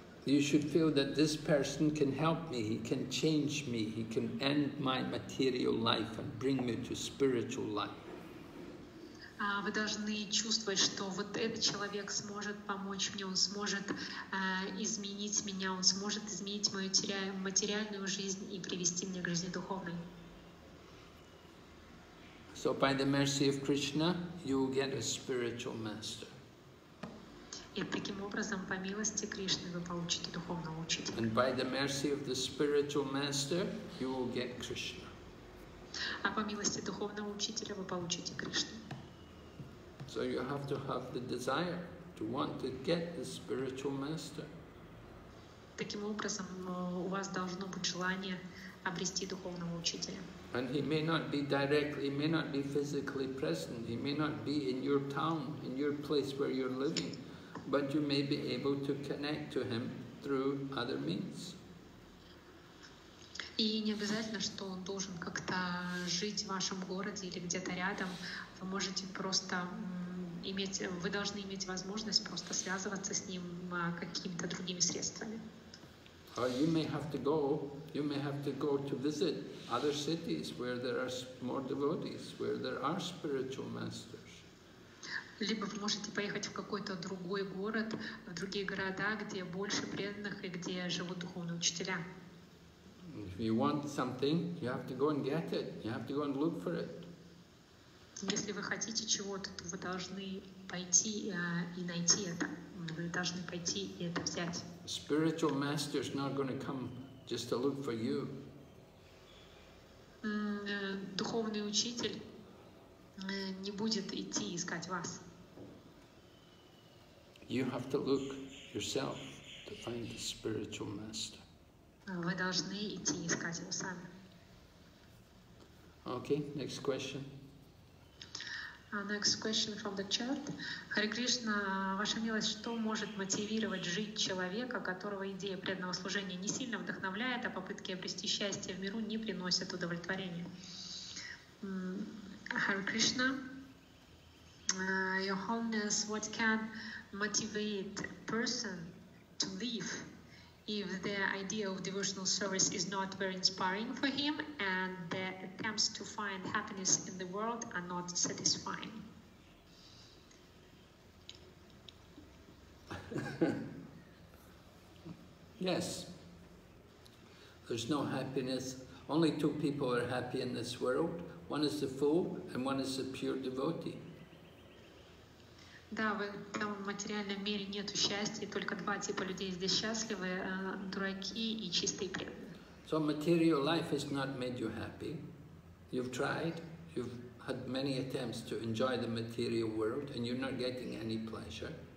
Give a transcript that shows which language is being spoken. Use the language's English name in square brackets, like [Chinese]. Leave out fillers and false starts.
[English] You should feel that this person can help me, he can change me, he can end my material life and bring me to spiritual life. [Russian] Вы должны чувствовать, что вот этот человек сможет помочь мне, он сможет изменить меня, он сможет изменить мою материальную жизнь и привести меня к жизни духовной. [English] So by the mercy of Krishna, you will get a spiritual master. [Russian] И таким образом, по милости Кришны, вы получите духовного учителя. [English] And by the mercy of the spiritual master, you will get Krishna. [Russian] А по милости духовного учителя вы получите Кришну. [English] So you have to have the desire to want to get the spiritual master. [Russian] Таким образом, у вас должно быть желание обрести духовного учителя. [English] And he may not be directly, he may not be physically present, he may not be in your town, in your place where you're living, but you may be able to connect to him through other means. [Russian] И не обязательно, что он должен как-то жить в вашем городе или где-то рядом. Вы можете просто иметь, вы должны иметь возможность просто связываться с ним какими-то другими средствами. [English] Or you may have to go. You may have to go to visit other cities where there are more devotees, where there are spiritual masters. [Russian] Либо вы можете поехать в какой-то другой город, в другие города, где больше преданных и где живут духовные учителя. [English] If you want something, you have to go and get it. You have to go and look for it. [Russian] Если вы хотите чего-то, то вы должны пойти и найти это. Вы должны пойти и это взять. [English] Spiritual master is not going to come just to look for you. [Russian] Духовный учитель не будет идти искать вас. [English] You have to look yourself to find the spiritual master. [Russian] Вы должны идти искать его сами. [English] Okay, next question. Next question from the chat. [Russian] Hare Krishna, Ваша милость, что может мотивировать жить человека, которого идея преданного служения не сильно вдохновляет, а попытки обрести счастье в миру не приносят удовлетворения? [English] Hare Krishna, Your Holiness, what can motivate a person to live if the idea of devotional service is not very inspiring for him and the attempts to find happiness in the world are not satisfying? Yes. There's no happiness. Only two people are happy in this world. One is the fool and one is the pure devotee. [Russian] Да, в этом материальном мире нету счастья, только два типа людей здесь счастливы, дураки и чистые преданные. [English] So material life has not made you happy. You've tried, you've had many attempts to enjoy the material world, and you're not getting any pleasure.